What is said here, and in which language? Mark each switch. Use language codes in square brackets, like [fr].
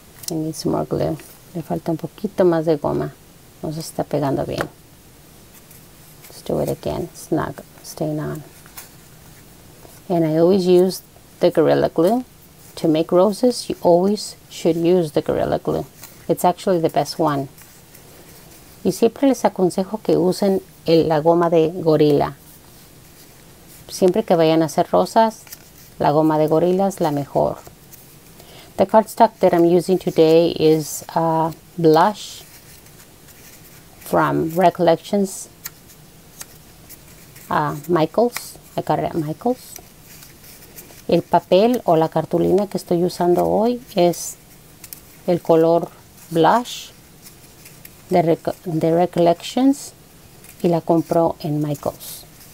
[en] I need some more glue. [es] Le falta un poquito más de goma. No se está pegando bien. [en] Let's do it again. It's not staying on. And I always use the Gorilla Glue. To make roses, you always should use the Gorilla Glue. It's actually the best one. [es] Y siempre les aconsejo que usen la goma de gorila. Siempre que vayan a hacer rosas, la goma de gorila es la mejor. [en] The cardstock that I'm using today is a blush from Recollections Michaels. I got it at Michaels. [es] El papel o la cartulina que estoy usando hoy es el color blush de Recollections y la compro en Michaels.